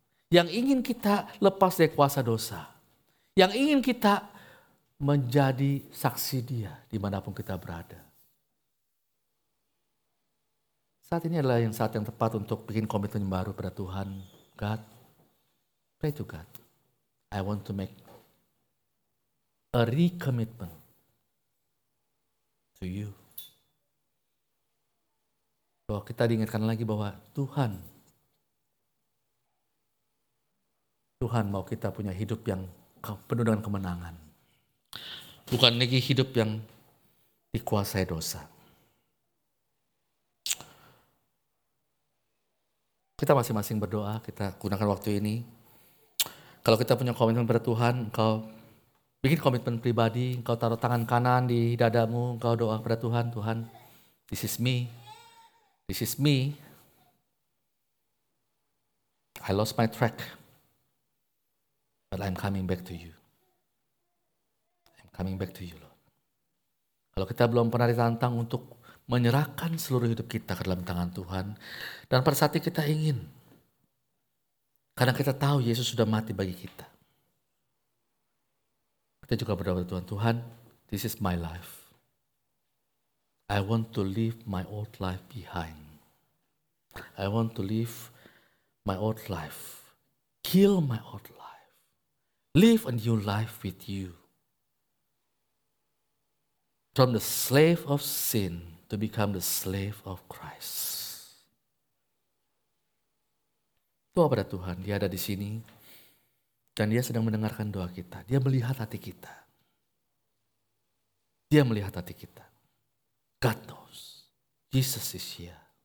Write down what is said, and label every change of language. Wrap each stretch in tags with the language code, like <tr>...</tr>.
<id>Yang ingin kita lepas dari kuasa dosa. Yang ingin kita menjadi saksi Dia dimanapun kita berada. Saat ini adalah yang saat yang tepat untuk bikin komitmen baru pada Tuhan.</id> <en>God, pray to God. I want to make a recommitment to you.</en> <id>Bahwa kita diingatkan lagi bahwa Tuhan mau kita punya hidup yang penuh dengan kemenangan. Bukan lagi hidup yang dikuasai dosa. Kita masing-masing berdoa, kita gunakan waktu ini. Kalau kita punya komitmen pada Tuhan, engkau bikin komitmen pribadi, engkau taruh tangan kanan di dadamu, engkau doa kepada Tuhan, Tuhan,</id> <en>this is me. This is me. I lost my track. But I'm coming back to you. I'm coming back to you, Lord.</en> <id>Kalau kita belum pernah ditantang untuk menyerahkan seluruh hidup kita ke dalam tangan Tuhan, dan pada saat kita ingin, karena kita tahu Yesus sudah mati bagi kita, kita juga berdoa kepada Tuhan, Tuhan,</id> <en>this is my life. I want to leave my old life behind. I want to leave my old life. Kill my old life. Live a new life with you. From the slave of sin to become the slave of Christ.</en> <id>Doa pada Tuhan, Dia ada di sini. Dan Dia sedang mendengarkan doa kita. Dia melihat hati kita. Dia melihat hati kita.</id> <en>God knows. Jesus is here.</en>